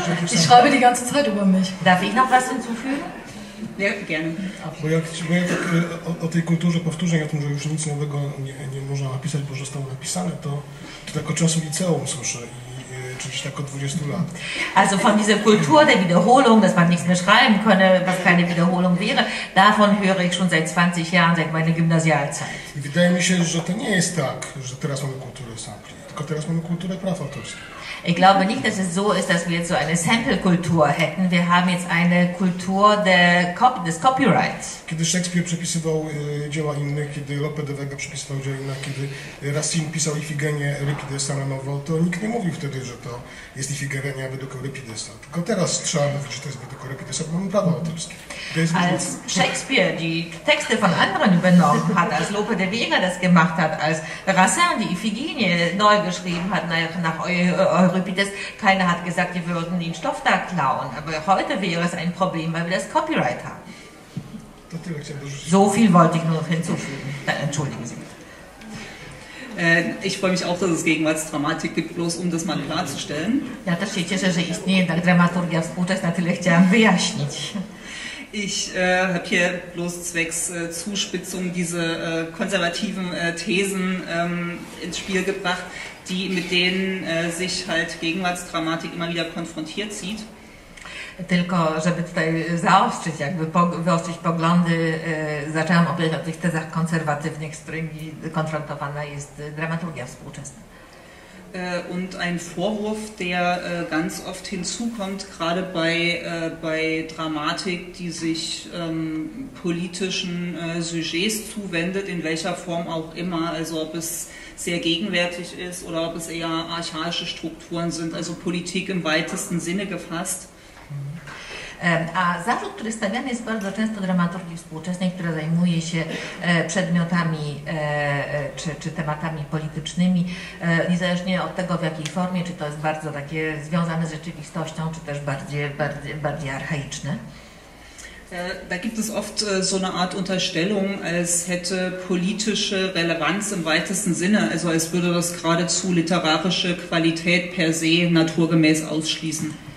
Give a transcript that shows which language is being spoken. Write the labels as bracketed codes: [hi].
[de] Ich schreibe die ganze Zeit über mich. Darf ich noch was hinzufügen? Ja, gerne. Okay. [pl] Bo ja tak o tej kulturze powtórzeń, o tym, że już nic nowego nie można napisać, bo zostało napisane, to tak o czasu liceum słyszę, czy gdzieś tak o 20 lat. [de] Also von dieser Kultur der Wiederholung, dass man nichts mehr schreiben könne, was keine Wiederholung wäre, davon höre ich schon seit 20 Jahren, seit meiner Gymnasialzeit. [pl] I wydaje mi się, że to nie jest tak, że teraz mamy kulturę sampli. Teraz mamy kulturę praw autorskich. [de] Ich glaube nicht, dass es so ist, dass wir jetzt so eine Sample-Kultur hätten. Wir haben jetzt eine Kultur des Copyrights. [pl] Kiedy Shakespeare przepisywał dzieła inne, kiedy Lope de Vega przepisywał dzieła inne, kiedy Racine pisał Ifigenię Euripidesa na nowo, to nikt nie mówił wtedy, że to jest Ifigenia według Euripidesa. Tylko teraz trzeba mówić, że to jest według Euripidesa, bo mamy prawa autorskie. [de] Als Shakespeare die Texte von anderen übernommen hat, als Lope de Vega das gemacht hat, als Racine die Ifigenie neu geschrieben hat nach Euripides, keiner hat gesagt, wir würden den Stoff da klauen. Aber heute wäre es ein Problem, weil wir das Copyright haben. So viel wollte ich nur hinzufügen. Dann entschuldigen Sie. Ich freue mich auch, dass es Gegenwartsdramatik gibt, bloß um das mal klarzustellen. Ja, das steht hier, dass es nicht in der Dramaturgie ist, das natürlich ja [pl] wyjaśnić. [de] Ich habe hier bloß zwecks Zuspitzung diese konservativen Thesen ins Spiel gebracht, die mit denen sich halt Gegenwartsdramatik immer wieder konfrontiert sieht. [pl] tylko żeby tutaj zaostrzyć, jakby wyostrzyć poglądy, zaczęłam opowiadać o tych tezach konserwatywnych, z którymi konfrontowana jest dramaturgia współczesna. [de] Und ein Vorwurf, der ganz oft hinzukommt, gerade bei Dramatik, die sich politischen Sujets zuwendet, in welcher Form auch immer, also ob es sehr gegenwärtig ist oder ob es eher archaische Strukturen sind, also Politik im weitesten Sinne gefasst. [pl] A zarzut, który stawiany jest bardzo często dramaturgii współczesnej, która zajmuje się przedmiotami czy tematami politycznymi, niezależnie od tego, w jakiej formie, czy to jest bardzo takie związane z rzeczywistością, czy też bardziej archaiczne. [de] Da gibt es oft so eine Art Unterstellung, als hätte politische Relevanz im weitesten Sinne, also als würde das geradezu literarische Qualität per se naturgemäß ausschließen.